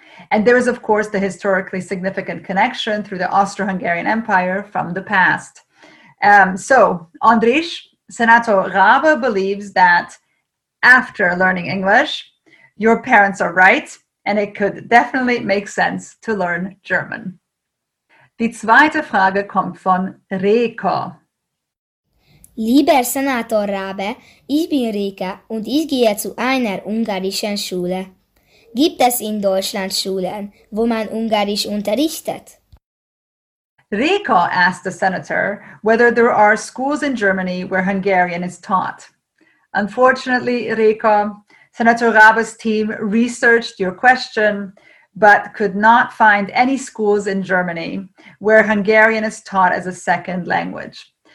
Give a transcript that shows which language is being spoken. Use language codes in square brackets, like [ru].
[en] And there is, of course, the historically significant connection through the Austro-Hungarian Empire from the past. So, Andrisch, Senator Raabe believes that after learning English, your parents are right, and it could definitely make sense to learn German. [de] Die zweite Frage kommt von Reka. Lieber Senator Raabe, ich bin Reka und ich gehe zu einer ungarischen Schule. Gibt es in Deutschland Schulen, wo man Ungarisch unterrichtet? [en] Reka asked the senator whether there are schools in Germany where Hungarian is taught. Unfortunately, Reka, Senator Raabe's team researched your question, but could not find any schools in Germany where Hungarian is taught as a second language.